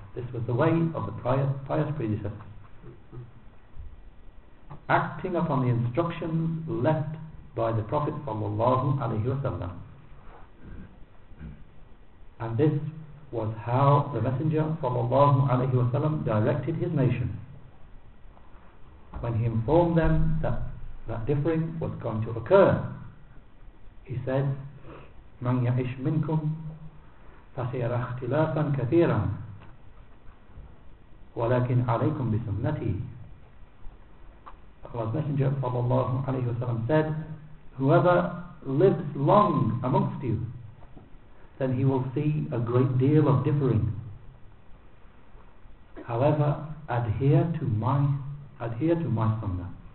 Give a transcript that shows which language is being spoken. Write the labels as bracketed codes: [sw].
[en] This was the way of the pious predecessors, acting upon the instructions left by the Prophet sallallahu alayhi wa sallam. And this was how the Messenger sallallahu alayhi wa sallam directed his nation when he informed them that that differing was going to occur. He said, [ar] مَنْ يَعِشْ مِنْكُمْ فَسِيَرَ اخْتِلَافًا كَثِيرًا وَلَكِنْ عَلَيْكُمْ بِسُنَّتِي. [en] Allah's Messenger sallallahu alayhi wa sallam said, whoever lives long amongst you, then he will see a great deal of differing. However, adhere to my sunnah.